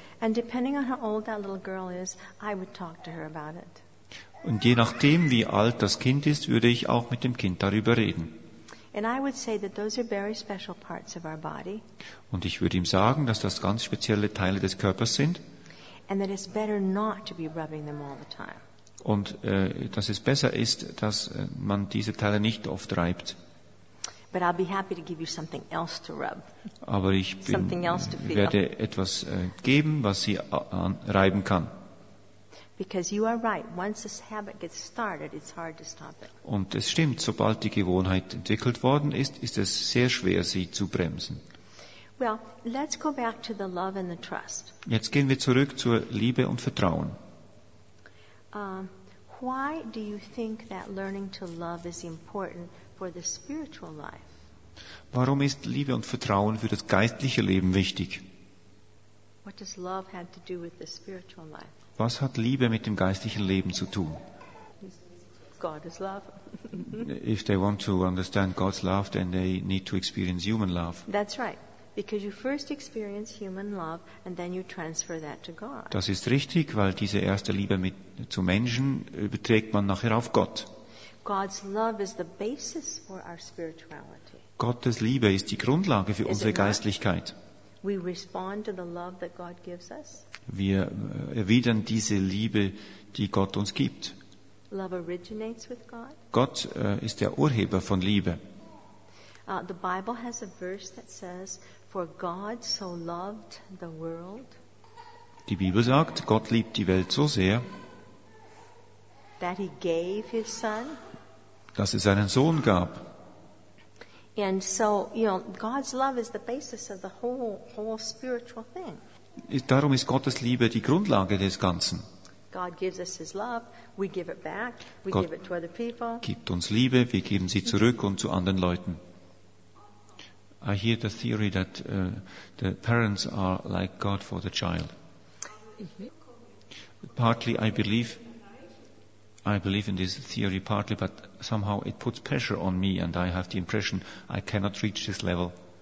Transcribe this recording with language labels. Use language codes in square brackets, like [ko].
[en] And depending on how old that little girl is, I would talk to her about it. [de] Und je nachdem, wie alt das Kind ist, würde ich auch mit dem Kind darüber reden. [en] And I would say that those are very special parts of our body. [de] Und ich würde ihm sagen, dass das ganz spezielle Teile des Körpers sind. [en] And that it's better not to be rubbing them all the time. [de] Und dass es besser ist, dass man diese Teile nicht oft reibt. [en] But I'll be happy to give you something else to rub. [de] Aber ich werde etwas geben, was sie reiben kann. [en] Because you are right. Once this habit gets started, it's hard to stop it. [de] Und es stimmt, sobald die Gewohnheit entwickelt worden ist, ist es sehr schwer, sie zu bremsen. [en] Well, let's go back to the love and the trust. [de] Jetzt gehen wir zurück zur Liebe und Vertrauen. [en] Why do you think that learning to love is important for the spiritual life? [de] Warum ist Liebe und Vertrauen für das geistliche Leben wichtig? [en] What does love have to do with the spiritual life? [de] Was hat Liebe mit dem geistlichen Leben zu tun? [en] God is love. If they want to understand God's love, then they need to experience human love. That's right. Because you first experience human love and then you transfer that to God. [de] Das ist richtig, weil diese erste Liebe mit zu Menschen überträgt man nachher auf Gott. [en] God's love is the basis for our spirituality. [de] Gottes Liebe ist die Grundlage für unsere Geistlichkeit. [en] We respond to the love that God gives us. [de] Wir erwidern diese Liebe, die Gott uns gibt. [en] Love originates with God. [de] Gott ist der Urheber von Liebe. [en] The Bible has a verse that says, "For God so loved the world." [de] Die Bibel sagt, Gott liebt die Welt so sehr, [en] that He gave His Son. [de] Dass es seinen Sohn gab. [en] And so, you know, God's love is the basis of the whole spiritual thing. [de] Darum ist Gottes Liebe die Grundlage des Ganzen. [en] God gives us His love, we give it back, we Gott give it to other people. [de] Gibt uns Liebe, wir geben sie zurück und zu anderen Leuten. [en] I hear the theory that the parents are like God for the child. Mm-hmm. Partly I believe in this theory partly, but somehow it puts pressure on me and I have the impression I cannot reach this level.